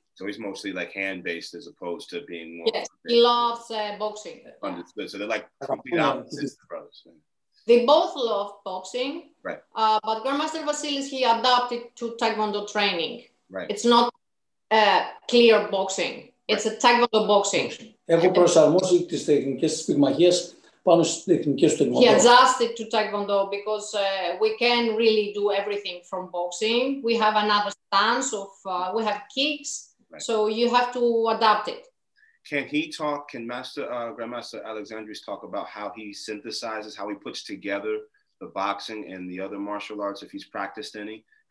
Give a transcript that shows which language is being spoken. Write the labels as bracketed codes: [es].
[en] So he's mostly like hand-based as opposed to being more... Yes, he loves boxing. Understood. So they're like complete opposites, the brothers. They both love boxing. Right. But Grandmaster Vasilis, he adapted to Taekwondo training. Right. It's not clear boxing. It's right. A Taekwondo boxing. [el] Έχω προσαρμόσει τις τεχνικές της πυγμαχίας πάνω στις τεχνικές του Taekwondo. [en] He adjusted to Taekwondo because we can really do everything from boxing. We have another stance of... we have kicks. Right. So you have to adapt it. Grandmaster Alexandris talk about how he synthesizes, how he puts together the boxing and the other martial arts, if he's practiced any?